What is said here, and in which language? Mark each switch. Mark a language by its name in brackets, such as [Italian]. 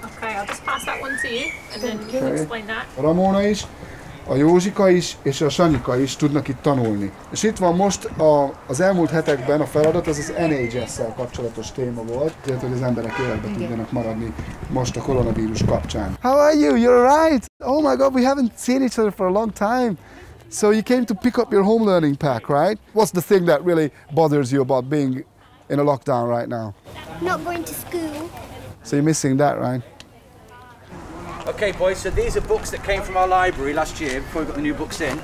[English] Okay, I'll just pass that one to you and then you can explain that. [Hungarian] Ramona is, a Józsika is és a Sanyika is tudnak itt tanulni. És itt van most az elmúlt hetekben a feladat, ez az NHS-szel kapcsolatos téma volt, illetve hogy az emberek életbe tudjanak maradni most a koronavírus kapcsán. [English] How are you? You're right. Oh my God, we haven't seen each other for a long time. So you came to pick up your home learning pack, right? What's the thing that really bothers you about being in a lockdown right now? Not going to school. So you're missing that, right? Okay, boys, so these are books that came from our library last year before we got the new books in.